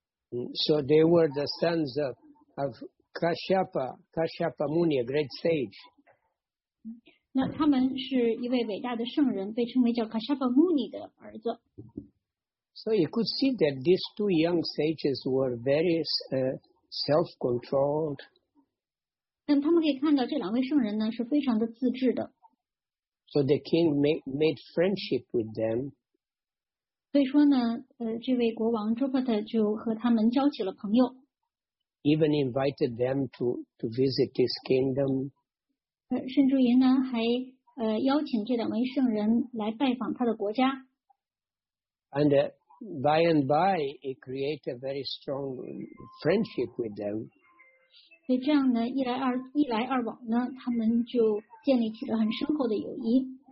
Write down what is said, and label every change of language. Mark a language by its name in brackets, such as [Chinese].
[English] So they were the sons of Kashyapa Muni, a great sage. [Chinese] 那他们是一位伟大的圣人，被称为叫 Kashyapa Muni 的儿子。 [English] So you could see that these two young sages were very self-controlled. [Chinese] 但他们可以看到这两位圣人呢是非常的自制的。 [English] So the king made friendship with them. [Chinese] 所以说呢，这位国王 Dropada 就和他们交起了朋友。 [English] Even invited them to visit his kingdom. [Chinese] 甚至于呢，还邀请这两位圣人来拜访他的国家。 [English] And by and by, he created a very strong friendship with them. [Chinese] 所以这样呢，一来二往呢，他们就建立起了很深厚的友谊。